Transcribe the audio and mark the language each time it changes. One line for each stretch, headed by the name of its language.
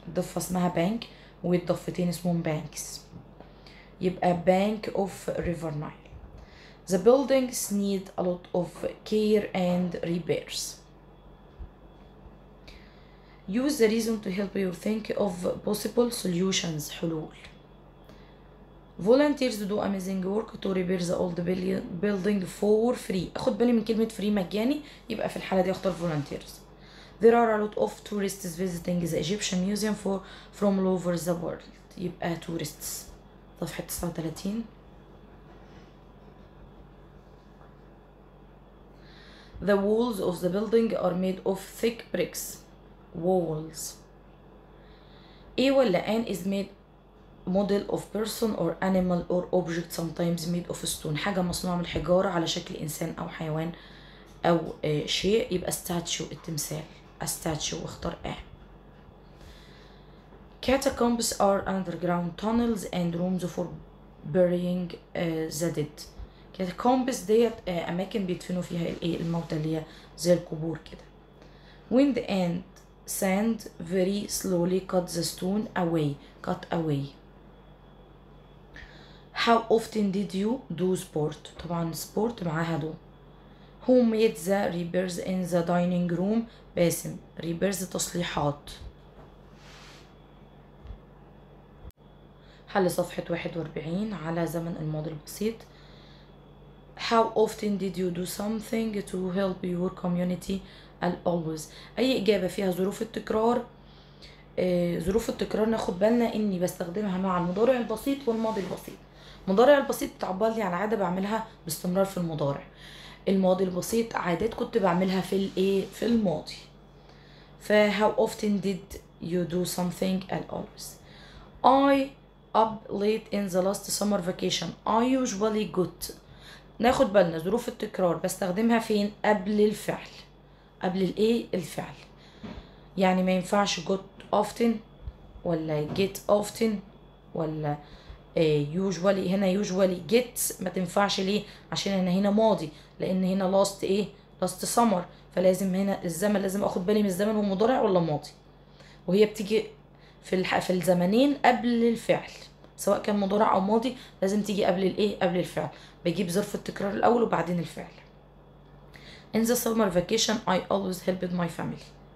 Arabic: ضفة اسمها بانك والضفتين اسمهم بانكس. يبقى بانك اوف ريفر نايل.
English: The buildings need a lot of care and repairs. Use the reason to help you think of possible solutions. حلول. Volunteers do amazing work to repair the old building for free.
Arabic: أخد بالي من كلمة free، مجاني، يبقى في الحالة دي أختار volunteers.
English: There are a lot of tourists visiting the Egyptian museum for from all over the world.
Arabic: يبقى tourists. صفحة 39.
English: The walls of the building are made of thick bricks. Walls. A ولا an is made model of person or animal or object sometimes made of stone.
Arabic: حاجة مصنوعة من حجارة على شكل إنسان أو حيوان أو شيء. يبقى statue التمثال. A statue. واختار A.
English: Catacombs are underground tunnels and rooms for burying the dead.
Arabic: Catacombs ديت أماكن بيدفنوا فيها الموتى اللي هي زي القبور كده.
English: Wind and sand very slowly cut the stone away. Cut away. How often did you do sport?
Arabic: طبعا sport معاها دو.
English: Who made the repairs in the dining room?
Arabic: باسم. Repairs تصليحات. حل صفحة 41 على زمن الماضي البسيط.
English: How often did you do something to help your community? Always.
Arabic: اي اجابة فيها ظروف التكرار، ظروف التكرار ناخد بالنا اني بستخدمها مع المضارع البسيط والماضي البسيط. المضارع البسيط بتعبر لي عن عادة بعملها باستمرار في المضارع. الماضي البسيط عادات كنت بعملها في الايه، في الماضي.
English: ف how often did you do something always. I up late in the last summer vacation. I usually got.
Arabic: ناخد بالنا ظروف التكرار بستخدمها فين؟ قبل الفعل. قبل الايه؟ الفعل. يعني ما ينفعش got often ولا get often ولا usually. هنا usually get ما تنفعش ليه؟ عشان انا هنا ماضي، لان هنا last ايه؟ last summer. فلازم هنا الزمن، لازم اخد بالي من الزمن هو مضارع ولا ماضي، وهي بتيجي في الزمنين قبل الفعل، سواء كان مضارع او ماضي لازم تيجي قبل الايه؟ قبل الفعل. بجيب ظرف التكرار الاول وبعدين الفعل.
English: In the summer vacation, I always helped my family.